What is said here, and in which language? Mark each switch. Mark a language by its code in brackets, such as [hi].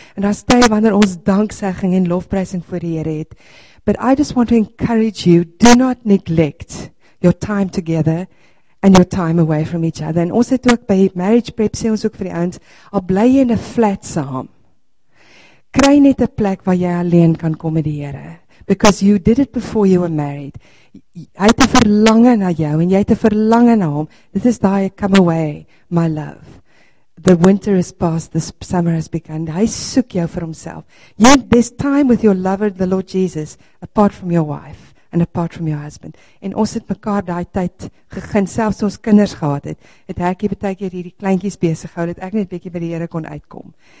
[af] En daar's tye wanneer ons danksegging en lofprysing voor die Here het. [en] But I just want to encourage you, do not neglect your time together and your time away from each other. [af] En ons het ook by marriage prep sê ons ook vir die ouens, al bly jy in 'n flat saam, kry net 'n plek waar jy alleen kan kom met die Here. [en] Because you did it before you were married. [af] Hy het 'n verlange na jou en jy het 'n verlange na hom. Dit is daai [en] come away, my love. The winter is past, the summer has begun. [af] Hy soek jou vir homself. [en] You have this time with your lover, the Lord Jesus, apart from your wife and apart from your husband. [af] En ons het mekaar daai tyd gegun, selfs ons kinders gehad het. Het Hekkie baie keer hierdie kleintjies besig gehou dat ek net 'n bietjie by die Here kon uitkom.